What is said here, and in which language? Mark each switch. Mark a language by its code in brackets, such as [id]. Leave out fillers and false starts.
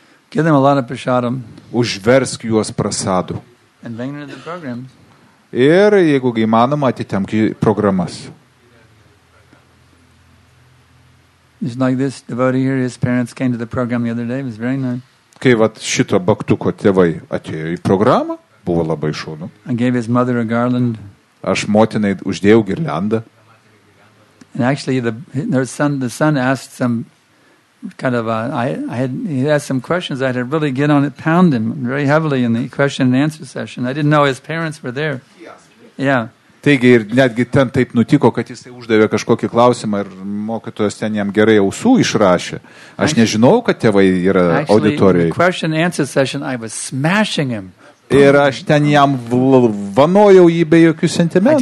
[en] Give them a lot of prasadam. [lt] Užversk juos prasadu. [en] And bring them to the programs. [lt] Ir jeigu įmanoma, atitemk programas. [en] It's like this devotee here, his parents came to the program the other day, it was very nice. [lt] Kai vat šito baktuko tėvai atėjo į programą, buvo labai šaunu. [en] I gave his mother a garland. [lt] Aš motinai uždėjau girliandą. [en] And actually the son asked some kind of he asked some questions I had to really get on it, pound him very heavily in the question and answer session. I didn't know his parents were there. Yeah. [lt] Taigi ir netgi ten taip nutiko, kad jisai uždavė kažkokį klausimą ir mokytojas ten jam gerai ausų išrašė. Aš nežinau, kad tėvai yra auditorijoje. [en] Question answer session I was smashing him. [lt] Ir aš ten jam vanojau jį be jokių sentimentų.